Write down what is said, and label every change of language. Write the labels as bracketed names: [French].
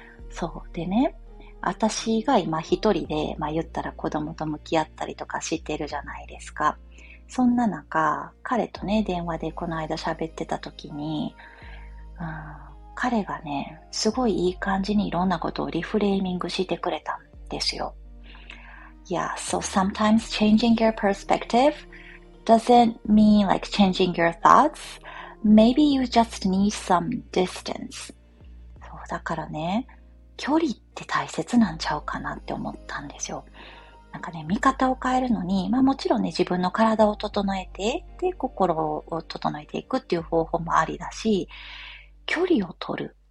[Japanese] そうでね、私が今一人で、まあ言ったら子供と向き合ったりとかしてるじゃないですか。そんな中、彼とね、電話でこの間喋ってた時に、彼がね、すごいいい感じにいろんなことをリフレーミングしてくれたんですよ。 [English] Yeah, so sometimes changing your perspective doesn't mean like changing your thoughts. Maybe you just need some distance. [Japanese] そう、だからね、距離って大切なんちゃうかなって思ったんですよ。なんかね、見方を変えるのに、まあもちろんね、自分の体を整えて、で、心を整えていくっていう方法もありだし、距離を取る。